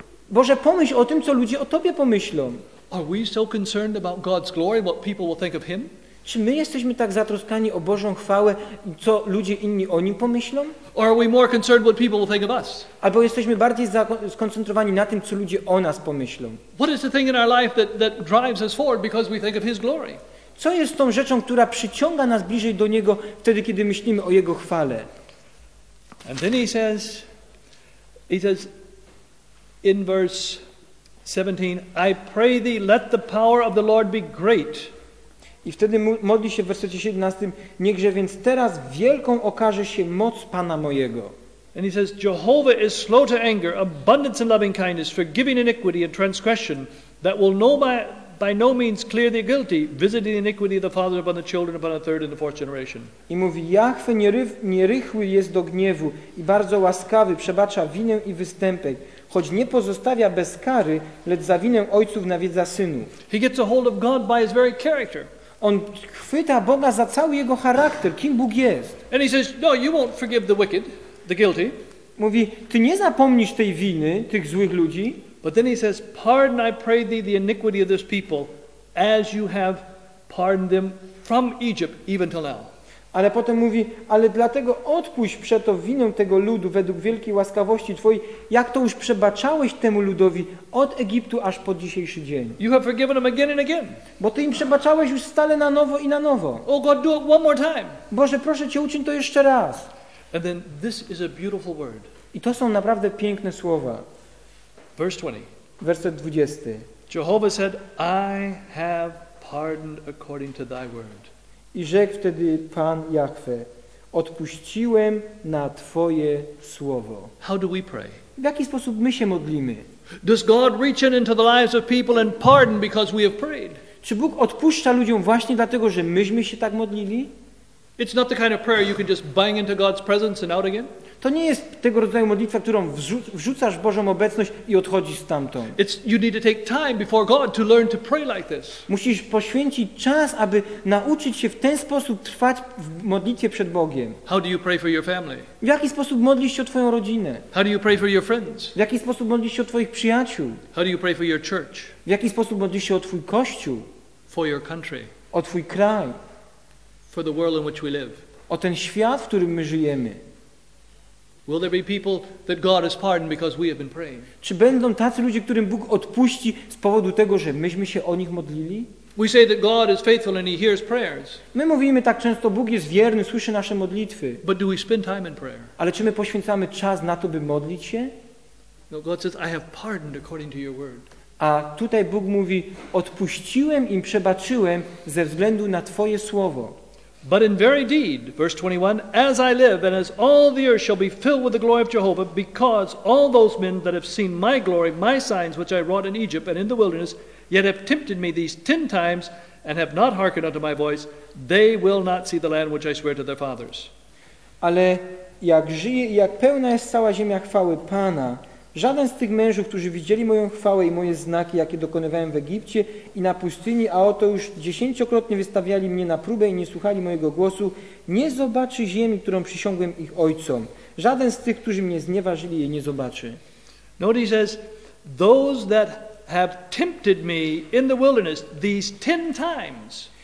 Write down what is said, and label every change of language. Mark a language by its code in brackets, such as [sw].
[pl] Boże, pomyśl o tym, co ludzie o Tobie pomyślą. [en] Are we so concerned about God's glory, what people will think of Him? [pl] Czy my jesteśmy tak zatroskani o Bożą chwałę, co ludzie inni o Nim pomyślą? [en] Or are we more concerned what people will think of us? [pl] Albo jesteśmy bardziej skoncentrowani na tym, co ludzie o nas pomyślą? [en] What is the thing in our life that drives us forward because we think of His glory? [pl] Co jest tą rzeczą, która przyciąga nas bliżej do Niego wtedy, kiedy myślimy o Jego chwale? [en] And then he says in verse 17, I pray thee, let the power of the Lord be great. [pl] I wtedy modli się w wersecie 17, niechże więc teraz wielką okaże się moc Pana mojego. [en] And he says, Jehovah is slow to anger, abundant in loving kindness, forgiving iniquity and transgression, that will by no means clear the guilty, visiting the iniquity of the father upon the children upon the third and the fourth generation. [pl] I mówi, Jahwe nierychły jest do gniewu i bardzo łaskawy, przebacza winę i występek, choć nie pozostawia bez kary, lecz za winę ojców nawiedza synów. [en] He gets a hold of God by his very character. [pl] On chwyta Boga za cały jego charakter, kim Bóg jest. [en] And he says, no, you won't forgive the wicked, the guilty. [pl] Mówi, ty nie zapomnisz tej winy tych złych ludzi. [en] But then he says, pardon, I pray thee, the iniquity of this people, as you have pardoned them from Egypt even till now. [pl] Ale potem mówi, ale dlatego odpuść przeto winę tego ludu według wielkiej łaskawości Twojej, jak to już przebaczałeś temu ludowi od Egiptu aż po dzisiejszy dzień. [en] You have forgiven them again and again. [pl] Bo Ty im przebaczałeś już stale na nowo i na nowo. [en] Oh God, do it one more time. [pl] Boże, proszę Cię, uczyń to jeszcze raz. [en] And then this is a beautiful word. [pl] I to są naprawdę piękne słowa. [en] Verse 20. [pl] Werset 20. [en] Jehovah said, I have pardoned according to Thy word. [pl] I rzekł wtedy Pan Jahwe, odpuściłem na Twoje słowo. [en] How do we pray? [pl] W jaki sposób my się modlimy? [en] Does God reach in into the lives of people and pardon because we have prayed? [pl] Czy Bóg odpuszcza ludziom właśnie dlatego, że myśmy się tak modlili? [en] It's not the kind of prayer you can just bang into God's presence and out again. [pl] To nie jest tego rodzaju modlitwa, którą wrzucasz w Bożą obecność i odchodzisz stamtąd. [en] You need to take time before God to learn to pray like this. [pl] Musisz poświęcić czas, aby nauczyć się w ten sposób trwać w modlitwie przed Bogiem. [en] How do you pray for your family? [pl] W jaki sposób modlisz się o twoją rodzinę? [en] How do you pray for your friends? [pl] W jaki sposób modlisz się o twoich przyjaciół? [en] How do you pray for your church? [pl] W jaki sposób modlisz się o twój kościół? [en] For your country. [pl] O twój kraj. [en] For the world in which we live. [pl] O ten świat, w którym my żyjemy. [en] Will there be people that God has pardoned because we have been praying? [pl] Czy będą tacy ludzie, którym Bóg odpuści z powodu tego, że myśmy się o nich modlili? [en] We say that God is faithful and he hears prayers. [pl] My mówimy tak często, Bóg jest wierny, słyszy nasze modlitwy. [en] But do we spend time in prayer? [pl] Ale czy my poświęcamy czas na to, by modlić się? [en] No, God says, I have pardoned according to your word. [pl] A tutaj Bóg mówi, odpuściłem im, przebaczyłem ze względu na twoje słowo. [en] But in very deed, verse 21, as I live and as all the earth shall be filled with the glory of Jehovah, because all those men that have seen my glory, my signs which I wrought in Egypt and in the wilderness, yet have tempted me these 10 times and have not hearkened unto my voice, they will not see the land which I swear to their fathers. [pl] Ale jak żyje i jak pełna jest cała ziemia chwały Pana, żaden z tych mężów, którzy widzieli moją chwałę i moje znaki, jakie dokonywałem w Egipcie i na pustyni, a oto już 10-krotnie wystawiali mnie na próbę i nie słuchali mojego głosu, nie zobaczy ziemi, którą przysiągłem ich ojcom. Żaden z tych, którzy mnie znieważyli, jej nie zobaczy. [en] Notice says, those that have tempted me in the wilderness these 10 times.